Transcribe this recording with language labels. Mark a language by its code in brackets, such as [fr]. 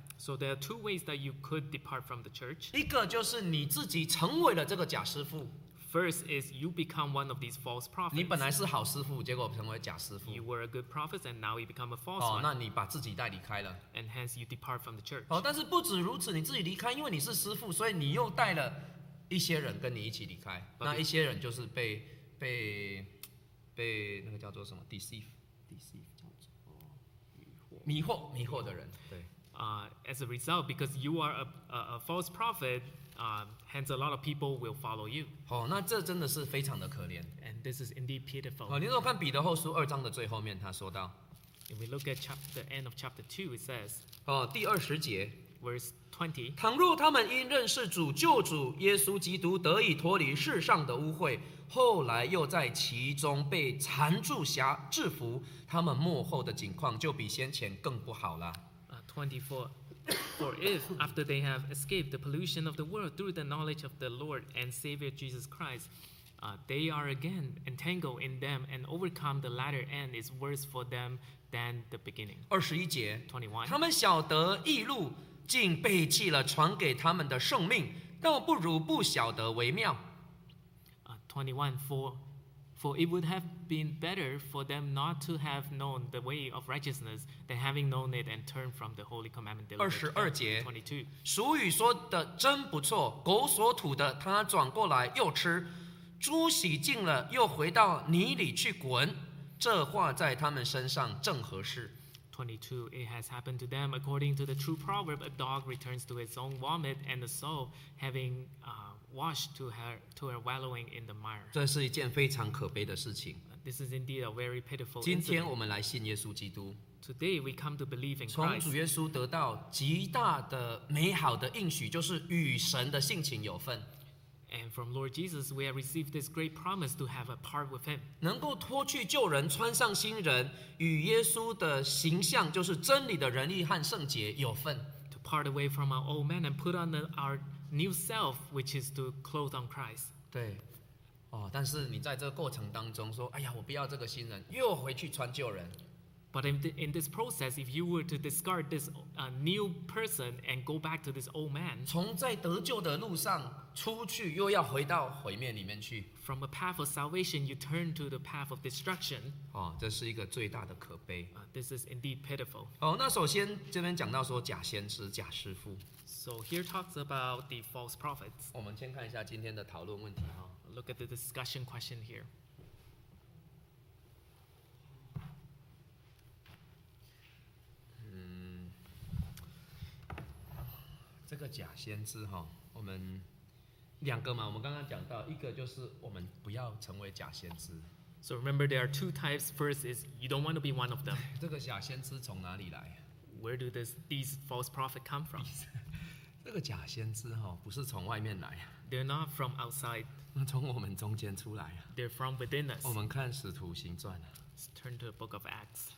[en] So there are two ways that you could depart from the church. [zh] 一个就是你自己成为了这个假师父。 [en] First is you become one of these false prophets. [zh] 你本来是好师父, 结果成为假师父。 [en] You were a good prophet and now you become a false one. [zh] 那你把自己带离开了。 [en] And hence you depart from the church. [zh] 但是不止如此, 你自己离开, 因为你是师父, 所以你又带了一些人跟你一起离开。那一些人就是被, 那个叫做什么, deceive, 叫做, 迷惑, 迷惑的人, 对。 [en] As a result, because you are a false prophet, hence a lot of people will follow you. [zh] 那这真的是非常的可怜。 [en] And this is indeed pitiful. [zh] 你如果看彼得后书二章的最后面，他说到， [en] If we look at the end of chapter 2, it says, [zh] 第二十节， [en] verse 20, [zh] 倘若他们因认识主救主耶稣基督得以脱离世上的污秽，后来又在其中被缠住辖制服，他们末后的景况就比先前更不好了。 [en] 24, For if, after they have escaped the pollution of the world through the knowledge of the Lord and Savior Jesus Christ, they are again entangled in them and overcome, the latter end is worse for them than the beginning. [zh] 21节, [en] 21. [zh] 他们晓得义路竟背弃了传给他们的圣命, 倒不如不晓得为妙。 [en] 21, for it would have been better for them not to have known the way of righteousness than having known it and turned from the holy commandment. [zh] 22节, 俗语说的真不错, 狗所吐的, 他转过来又吃, 猪洗净了, 又回到泥里去滚, 这话在他们身上正合适。 [en] 22, it has happened to them according to the true proverb, a dog returns to its own vomit, and the soul having washed to her wallowing in the mire. [zh] 这是一件非常可悲的事情。 [en] This is indeed a very pitiful incident. [zh] 今天我们来信耶稣基督。 [en] Today we come to believe in Christ. [zh] 从主耶稣得到极大的美好的应许, 就是与神的性情有份。 [en] And from Lord Jesus, we have received this great promise to have a part with Him. [zh] 能够脱去旧人, 穿上新人, 与耶稣的形象, 就是真理的仁义和圣洁有份。 [en] To part away from our old man and put on our new self, which is to clothe on Christ. [zh] 对, 哦, 但是你在这个过程当中说, 哎呀, 我不要这个新人, 又回去穿旧人。 [en] But in this process, if you were to discard this new person and go back to this old man, [zh] 从在得救的路上, 出去又要回到毁灭里面去, [en] from a path of salvation, you turn to the path of destruction. [zh] 哦, 这是一个最大的可悲。 [en] This is indeed pitiful. [zh] 哦, 那首先这边讲到说, 假先知, 假师父。 [en] So here talks about the false prophets. [zh] 我们先看一下今天的讨论问题, [en] look at the discussion question here. [zh] 这个假先知哈, 我们两个嘛, 我们刚刚讲到, 一个就是我们不要成为假先知。 [en] So remember there are two types. First is you don't want to be one of them. [zh] 这个假先知从哪里来? [en] Where do these false prophets come from? [zh] 这个假先知哈, 不是从外面来, [en] they're not from outside. [zh] 从我们中间出来, [en] they're from within us. [zh] 我们看使徒行传, [en] let's turn to the book of Acts.